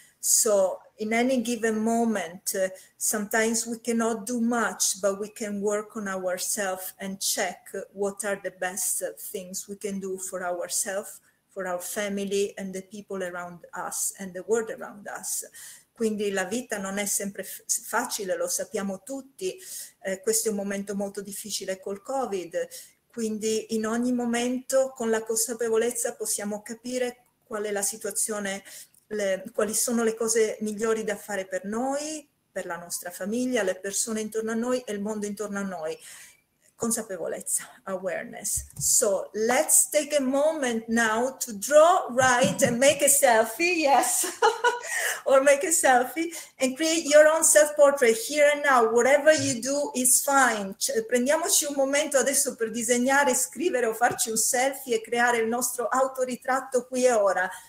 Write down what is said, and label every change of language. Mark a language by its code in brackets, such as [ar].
[en] So in any given moment, sometimes we cannot do much, but we can work on ourselves and check what are the best things we can do for ourselves, for our family and the people around us and the world around us. [it] Quindi la vita non è sempre facile, lo sappiamo tutti, questo è un momento molto difficile col Covid, quindi in ogni momento con la consapevolezza possiamo capire qual è la situazione, quali sono le cose migliori da fare per noi, per la nostra famiglia, le persone intorno a noi e il mondo intorno a noi. Consapevolezza, awareness. [en] So let's take a moment now to draw, write and make a selfie, yes, or make a selfie and create your own self-portrait here and now. Whatever you do is fine. [it] Prendiamoci un momento adesso per disegnare, scrivere o farci un selfie e creare il nostro autoritratto qui e ora.